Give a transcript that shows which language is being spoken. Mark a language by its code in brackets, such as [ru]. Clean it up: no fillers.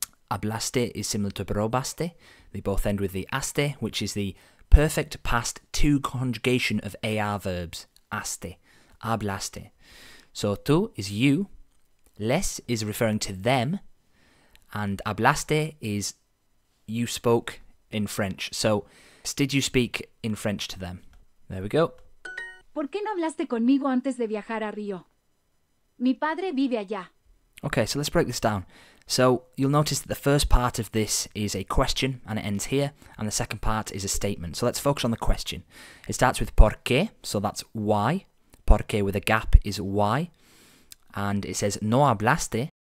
[en] Hablaste is similar to probaste. They both end with the aste, which is the perfect past to conjugation of AR verbs. Aste. Hablaste. So, tú is you, les is referring to them, and hablaste is you spoke in French. So, did you speak in French to them? There we go. [es] ¿Por qué no hablaste conmigo antes de viajar a Río? Mi padre vive allá. [en] Okay, so let's break this down. So, you'll notice that the first part of this is a question, and it ends here, and the second part is a statement. So, let's focus on the question. It starts with ¿por qué? So, that's why. Porque with a gap is why. And it says, no hablaste.